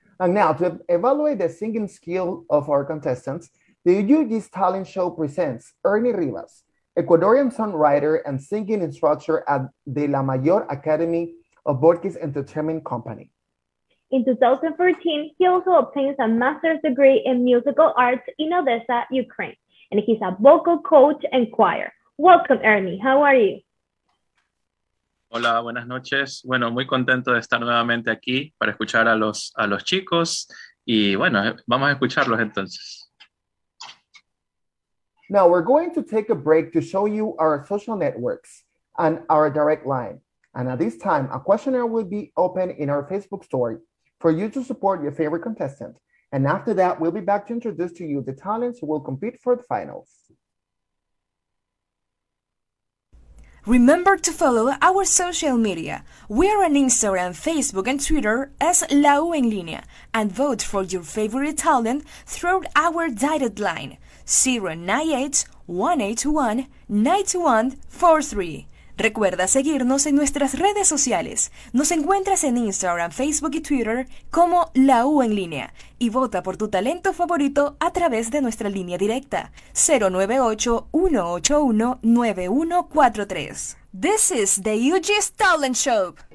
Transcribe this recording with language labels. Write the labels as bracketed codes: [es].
[en] And now to evaluate the singing skill of our contestants, the UG's Talent Show presents Ernie Rivas, Ecuadorian songwriter and singing instructor at the La Mayor Academy of Borges Entertainment Company. In 2014, he also obtains a master's degree in musical arts in Odessa, Ukraine, and he's a vocal coach and choir. Welcome, Ernie. How are you? [es] Hola, buenas noches. Bueno, muy contento de estar nuevamente aquí para escuchar a los chicos. Y bueno, vamos a escucharlos entonces. [en] Now, we're going to take a break to show you our social networks and our direct line. And at this time, a questionnaire will be open in our Facebook story for you to support your favorite contestant. And after that, we'll be back to introduce to you the talents who will compete for the finals. Remember to follow our social media. We are on Instagram, Facebook, and Twitter as La U en Línea, and vote for your favorite talent through our direct line 098-181-9143. [es] Recuerda seguirnos en nuestras redes sociales. Nos encuentras en Instagram, Facebook y Twitter como La U en Línea. Y vota por tu talento favorito a través de nuestra línea directa 098-181-9143. [en] This is the UG's Talent Show.